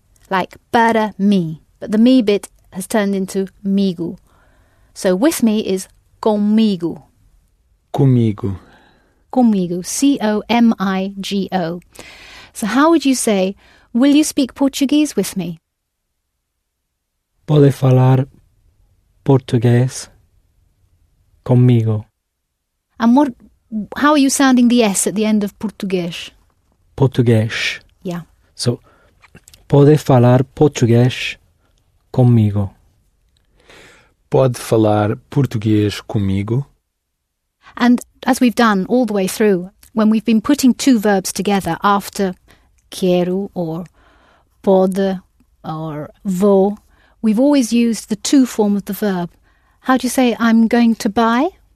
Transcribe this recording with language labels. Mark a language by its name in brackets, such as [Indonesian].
[English] Like para mim. But the me bit has turned into migo. So with me is comigo. [Portuguese] Comigo. Comigo. C-O-M-I-G-O. [English] So how would you say, will you speak Portuguese with me? [Portuguese] Pode falar português comigo. [English] And what? How are you sounding the S at the end of português? [Portuguese] Português. [English] Yeah. [Portuguese] So, pode falar português comigo. Pode falar português comigo. [English] And as we've done all the way through, when we've been putting two verbs together after quero or pode or vou, we've always used the to form of the verb. How do you say I'm going to buy?